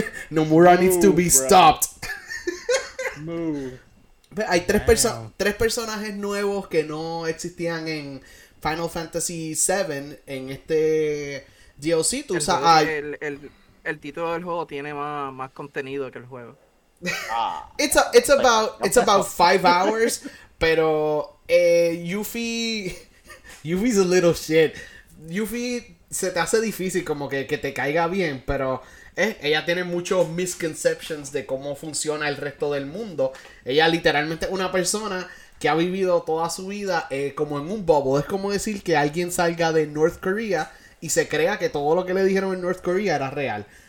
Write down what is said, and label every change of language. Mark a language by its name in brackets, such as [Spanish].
[English] Nomura Move, needs to be bro. Stopped. Move. [Spanish] Hay tres personajes nuevos que no existían en Final Fantasy VII en este DLC. Tú sabes, el título del juego tiene más contenido que el juego. [English] it's about 5 hours, pero Yuffie's a little shit. [Spanish] Yuffie se te hace difícil como que te caiga bien, pero ella tiene muchos misconceptions de cómo funciona el resto del mundo. Ella literalmente es una persona que ha vivido toda su vida como en un bubble. Es como decir que alguien salga de North Korea y se crea que todo lo que le dijeron en North Korea era real.